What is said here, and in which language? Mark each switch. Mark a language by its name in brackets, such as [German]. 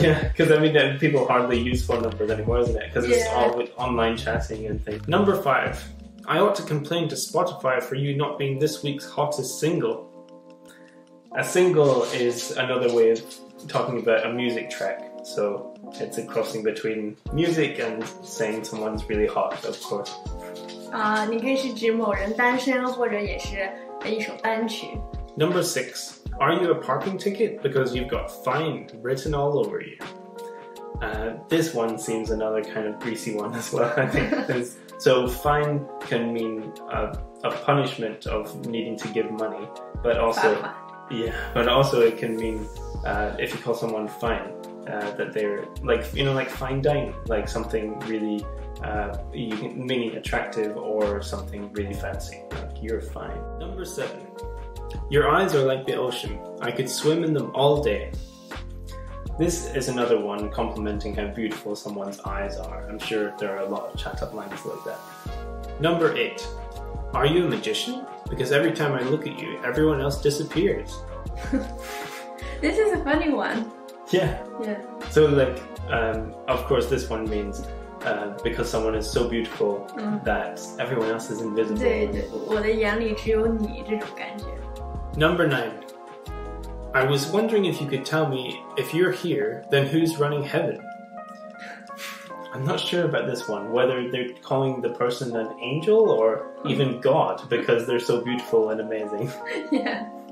[English] Yeah, because people hardly use phone numbers anymore, isn't it? Because it's all with online chatting and things. Number five. I ought to complain to Spotify for you not being this week's hottest single. A single is another way of talking about a music track. So it's a crossing between music and saying someone's really hot, of course. [Chinese] 你可以是指某人单身或者也是一首单曲。 [English] Number six, are you a parking ticket? Because you've got fine written all over you. This one seems another kind of greasy one as well, I think. So fine can mean a punishment of needing to give money, but also, it can mean if you call someone fine, that they're like, you know, like fine dining, like something really, meaning attractive or something really fancy, like you're fine. Number seven, your eyes are like the ocean. I could swim in them all day. This is another one complimenting how beautiful someone's eyes are. I'm sure there are a lot of chat-up lines like that. Number eight, are you a magician? Because every time I look at you, everyone else disappears. This is a funny one. Yeah. Yeah. So like, of course this one means because someone is so beautiful that everyone else is invisible. [Chinese] 对对，我的眼里只有你这种感觉。 [English] Number nine, I was wondering if you could tell me, if you're here, then who's running heaven? I'm not sure about this one, whether they're calling the person an angel or even God, because they're so beautiful and amazing. Yeah.